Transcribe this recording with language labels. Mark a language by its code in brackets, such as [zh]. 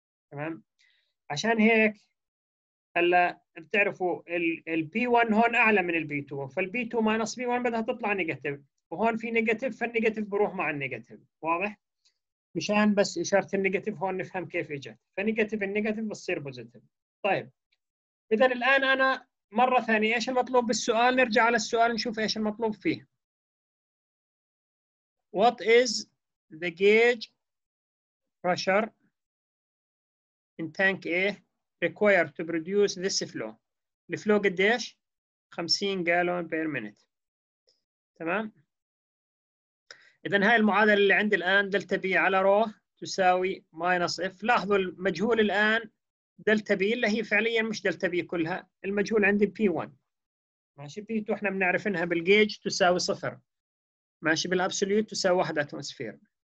[ar] تمام؟ عشان هيك هلا بتعرفوا ال P1 هون أعلى من ال B2، فال B2 minus B1 بدها تطلع نيجاتيف، وهون في نيجاتيف، فالنيجاتيف بروح مع النيجاتيف، واضح؟ مشان بس إشارة النيجاتيف هون نفهم كيف إجت، فنيجاتيف النيجاتيف بتصير بوزيتيف. طيب إذا الآن أنا مرة ثانية إيش المطلوب بالسؤال؟ نرجع على السؤال نشوف إيش المطلوب فيه. [en] What is the gauge pressure in tank A required to produce this flow? The flow [ar] قديش؟ [en] 50 gallon per minute. [ar] تمام؟ إذن هاي المعادلة اللي عندي الآن دلتا بي على رو تساوي minus F. لاحظوا المجهول الآن دلتا بي اللي هي فعليا مش دلتا بي كلها، المجهول عندي P1، ماشي؟ P2 احنا بنعرف انها بالجيج تساوي صفر، ماشي؟ بالابسوليوت تساوي واحد اتموسفير.